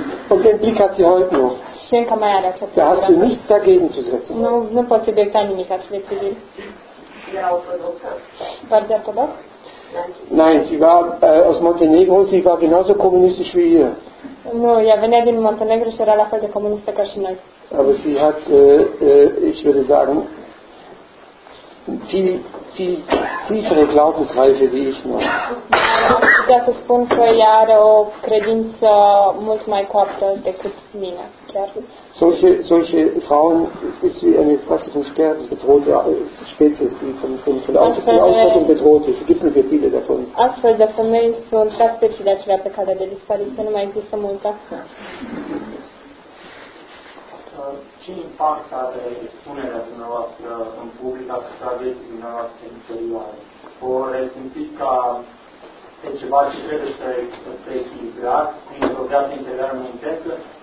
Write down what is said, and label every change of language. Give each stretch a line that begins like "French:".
German: Und den Blick hat sie heute noch. Da hast du nichts dagegen zu setzen.
Romanian: Nu pot obiecta nimic, aș fi civil.
German: War sie orthodox? Nein, sie war aus Montenegro, sie war genauso kommunistisch wie ihr.
Romanian: Nu, ea venea din Montenegro și era la fel de comunistă ca și noi.
German: Aber sie hat, ich würde sagen, viel, viel tiefere Glaubensreife wie ich noch. Ich würde sagen, dass sie eine
Romanian: Credință mult mai coaptă decât mine.
German: Solche Frauen ist wie eine Klasse von Sterben bedroht, ja, Spezies, die von der Ausrottung bedroht ist. Es gibt nicht mehr viele davon.
Romanian: Astfel de femei sunt ca speciile acelea pe care de dispariție nu mai există multe. Ce impact are spunerea dumneavoastră în public asupra vieții dumneavoastră interioare? O resimțiți ca pe ceva ce trebuie să echilibrați printr-o viață interioară mai intensă?